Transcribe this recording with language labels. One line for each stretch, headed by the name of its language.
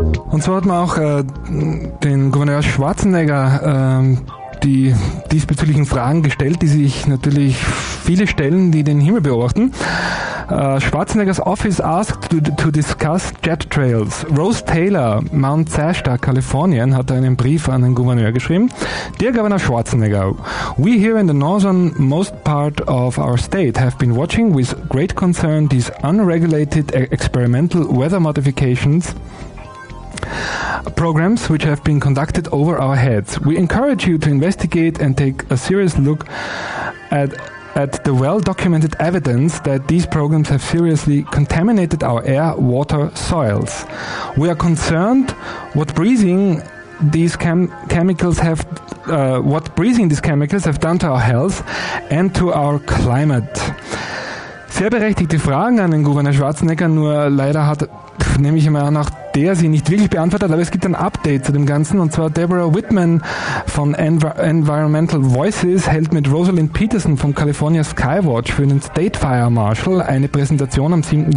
German: Und so hat man auch den Gouverneur Schwarzenegger die diesbezüglichen Fragen gestellt, die sich natürlich viele stellen, die den Himmel beobachten.
English: Schwarzeneggers Office asked to discuss jet trails.
German: Rose Taylor, Mount Shasta, Kalifornien, hat einen Brief an den Gouverneur geschrieben.
English: Dear Governor Schwarzenegger, we here in the northernmost part of our state have been watching with great concern these unregulated experimental weather modifications programs which have been conducted over our heads. We encourage you to investigate and take a serious look at the well-documented evidence that these programs have seriously contaminated our air, water, soils. We are concerned what breathing these chemicals have done to our health and to our climate.
German: Sehr berechtigte Fragen an den Gouverneur Schwarzenegger, nur leider hat, nehme ich mal an, auch der sie nicht wirklich beantwortet, aber es gibt ein Update zu dem Ganzen, und zwar Deborah Whitman von Environmental Voices hält mit Rosalind Peterson vom California Skywatch für den State Fire Marshal eine Präsentation am 7.